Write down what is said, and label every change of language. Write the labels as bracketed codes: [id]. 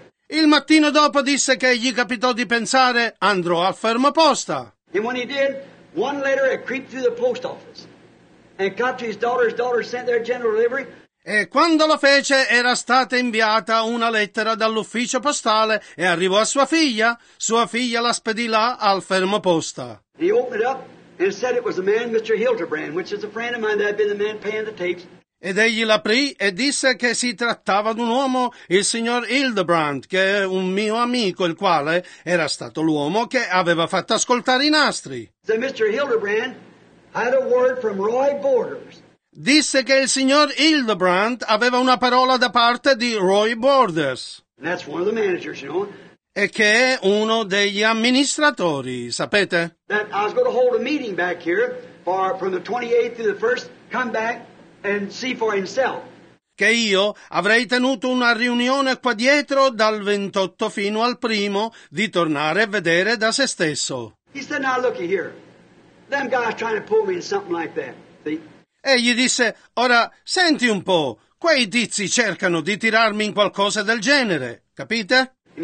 [it] Il mattino dopo disse che gli capitò di pensare, andrò a fermo posta. [en] And when he did, one letter had creeped through the post office and got to his daughter's daughter sent their general delivery. [it] E quando lo fece era stata inviata una lettera dall'ufficio postale e arrivò a sua figlia. Sua figlia la spedì là al fermo posta. [en] He opened up. And said it was a man, Mr. Hildebrand, which is a friend of mine that had been the man paying the tapes. [it] Ed egli l'aprì e disse che si trattava d'un uomo, il signor Hildebrand, che è un mio amico, il quale era stato l'uomo che aveva fatto ascoltare i nastri. [en] So Mr. Hildebrand had a word from Roy Borders. [it] Disse che il signor Hildebrand aveva una parola da parte di Roy Borders. [en] And that's one of the managers, you know. [it] E che è uno degli amministratori, sapete? [en] That I was going to hold a meeting back here for from the 28th to the 1st, come back and see for himself. [it] che io avrei tenuto una riunione qua dietro dal 28 fino al primo di tornare a vedere da se stesso. [en] He said, "Now look here. Them guys trying to pull me in something like that." [it] E gli disse, ora senti un po', quei tizi cercano di tirarmi in qualcosa del genere, capite?